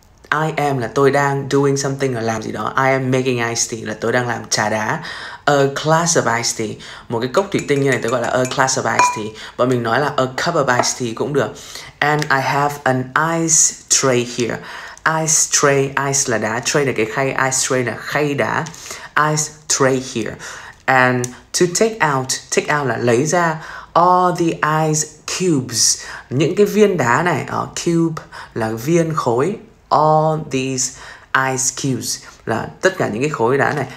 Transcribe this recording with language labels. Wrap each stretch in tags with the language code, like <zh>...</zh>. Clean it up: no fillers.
<en>I am</en> <vi>là tôi đang</vi> <en>doing something or</en> <vi>làm gì đó.</vi> <en>I am making iced tea</en> <vi>là tôi đang làm trà đá.</vi> <en>A glass of iced tea.</en> <vi>Một cái cốc thủy tinh như này tôi gọi là</vi> <en>a glass of iced tea.</en> <vi>Và mình nói là</vi> <en>a cup of iced tea</en> <vi>cũng được.</vi> <en>And I have an ice tray here.</en> <vi>Ice tray, ice là đá. Tray là cái khay, ice tray là khay đá.</vi> <en>Ice tray here. And to take out</en> <vi>là lấy ra</vi> <en>all the ice cubes.</en> <vi>Những cái viên đá này, cube là viên khối.</vi> <en>All these ice cubes</en> <vi>là tất cả những cái khối đá này.</vi>